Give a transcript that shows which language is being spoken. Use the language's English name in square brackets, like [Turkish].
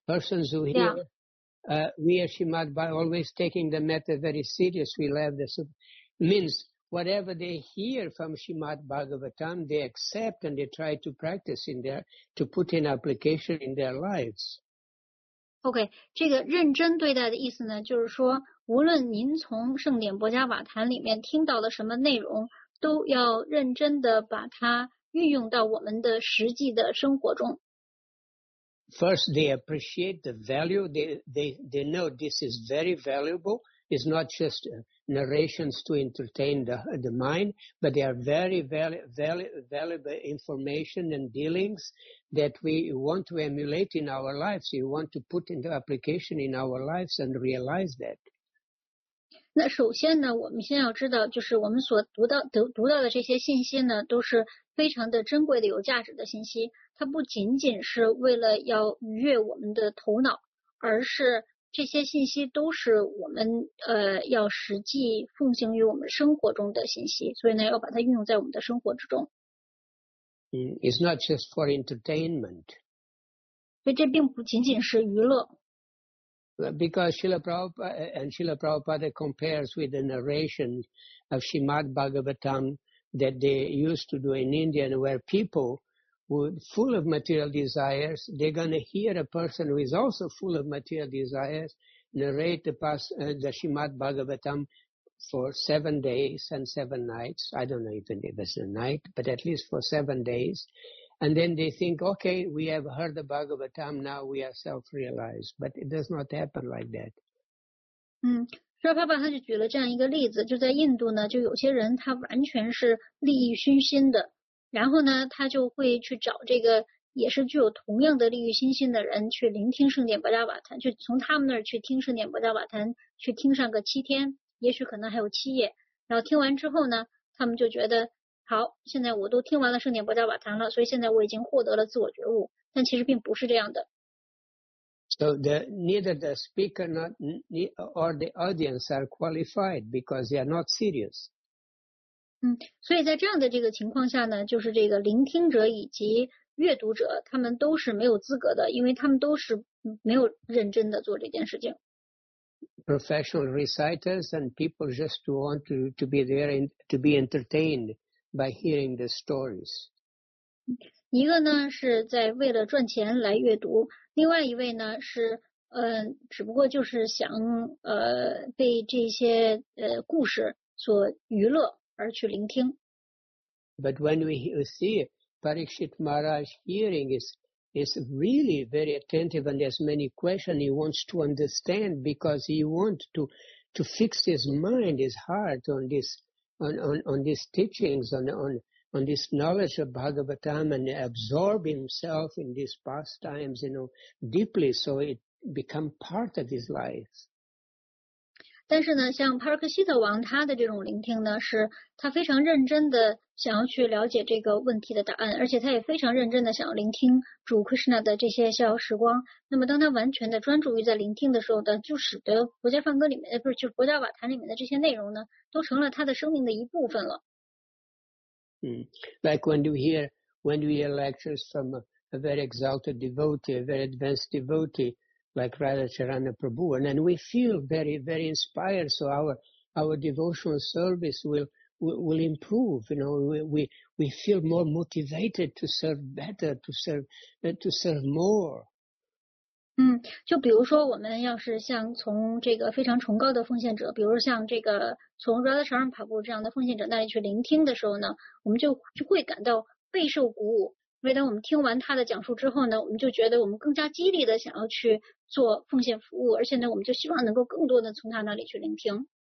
[English] Persons who hear, we are Shrimad by always taking the matter very serious, we love this. Means whatever they hear from Shrimad Bhagavatam, they accept and they try to practice in their, to put in application in their lives. Okay. [Chinese] 这个认真对待的意思呢，就是说，无论您从圣典博伽瓦坛里面听到了什么内容，都要认真的把它运用到我们的实际的生活中。 [English] First, they appreciate the value. They know this is very valuable. It's not just narrations to entertain the mind, but they are very valuable information and dealings that we want to emulate in our lives. We want to put into application in our lives and realize that. [Chinese] 那首先呢，我们先要知道，就是我们所读到的这些信息呢，都是非常的珍贵的、有价值的信息，它不仅仅是为了要愉悦我们的头脑，而是这些信息都是我们要实际奉行于我们生活中的信息，所以呢，要把它运用在我们的生活之中。 [English] It's not just for entertainment. [Chinese] 所以这并不仅仅是娱乐。 [English] Because Srila Prabhupada compares with the narration of Srimad Bhagavatam that they used to do in India, where people were full of material desires, they're going to hear a person who is also full of material desires narrate the Srimad Bhagavatam for 7 days and seven nights. I don't know even if it's a night, but at least for 7 days. And then they think, okay, we have heard the Bhagavatam, now we are self-realized. But it does not happen like that. [Chinese] Srila Prabhupada 他就举了这样一个例子，就在印度呢，就有些人他完全是利益熏心的，然后呢，他就会去找这个也是具有同样的利益熏心的人去聆听圣典博伽瓦坛，就从他们那儿去听圣典博伽瓦坛，去听上个七天，也许可能还有七夜，然后听完之后呢，他们就觉得好，现在我都听完了圣典博伽瓦坛了，所以现在我已经获得了自我觉悟，但其实并不是这样的。 [English] So neither the speaker or the audience are qualified because they are not serious. [Chinese] 所以在这样的这个情况下呢，就是这个聆听者以及阅读者，他们都是没有资格的，因为他们都是没有认真的做这件事情。 [English] Professional reciters and people just want to be there and to be entertained by hearing the stories. [Chinese] 一个呢是在为了赚钱来阅读。另外一位呢是只不过就是想被这些故事所娱乐而去聆听。 [English] But when we see Parikshit Maharaj hearing is really very attentive and there's many questions he wants to understand because he wants to fix his mind, his heart on these teachings, on this knowledge of Bhagavatam and absorb himself in these pastimes, you know, deeply, so it become part of his life. [Chinese] 但是呢，像帕尔克希特王他的这种聆听呢，是他非常认真的想要去了解这个问题的答案，而且他也非常认真的想要聆听主 Krishna 的这些逍遥时光。那么当他完全的专注于在聆听的时候呢，就使得佛教梵歌里面，就是佛教瓦坛里面的这些内容呢，都成了他的生命的一部分了。 [English] Like when we hear, lectures from a very exalted devotee, a very advanced devotee, like Radha Charana Prabhu, and then we feel very, very inspired, so our devotional service will improve, you know, we feel more motivated to serve better, to serve more. [Chinese] 就比如说我们要是像从这个非常崇高的奉献者，比如像这个从 Radha Charana Prabhu 这样的奉献者那里去聆听的时候呢，我们就会感到备受鼓舞，因为当我们听完他的讲述之后呢，我们就觉得我们更加激励的想要去做奉献服务，而且呢我们就希望能够更多的从他那里去聆听。